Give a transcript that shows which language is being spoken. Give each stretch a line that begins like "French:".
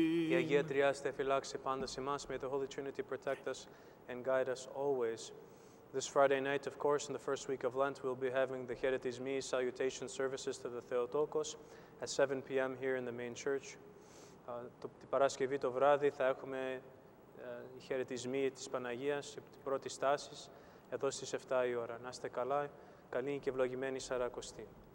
Greek: Η Αγία Τριάστε φυλάξει πάντας ημάς.
English: May the Holy Trinity protect us and guide us always. This Friday night, of course, in the first week of Lent, we'll be having the Χαιρετισμοί salutation services to the Θεοτόκος at 7 p.m. here in the main church.
Greek: Την Παρασκευή το βράδυ θα έχουμε οι χαιρετισμοί της Παναγίας, την πρώτη στάση, εδώ στις 7 η ώρα. Να είστε καλά, καλή και ευλογημένη Σαρακοστή.